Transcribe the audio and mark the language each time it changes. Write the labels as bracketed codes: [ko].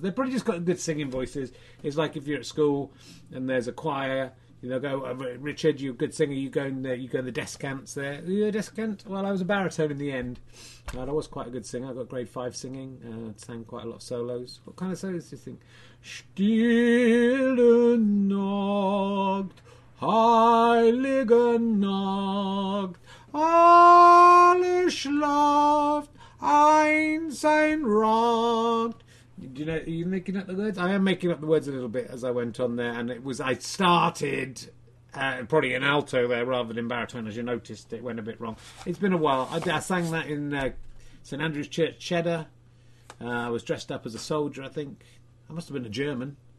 [en] They've probably just got good singing voices. It's like if you're at school and there's a choir, you know, go, oh, Richard, you're a good singer. You go in the descants there. Are you a descant? Well, I was a baritone in the end. But I was quite a good singer. I got grade 5 singing. Sang quite a lot of solos. What kind of solos do you sing? [de] Stille Nacht, Heilige Nacht. Alle schlaft, einsein rockt. [en] Do you know, are you making up the words? I am making up the words a little bit as I went on there, and I started probably in alto there rather than in baritone, as you noticed, it went a bit wrong. It's been a while. I sang that in St. Andrew's Church, Cheddar. I was dressed up as a soldier, I think. I must have been a German.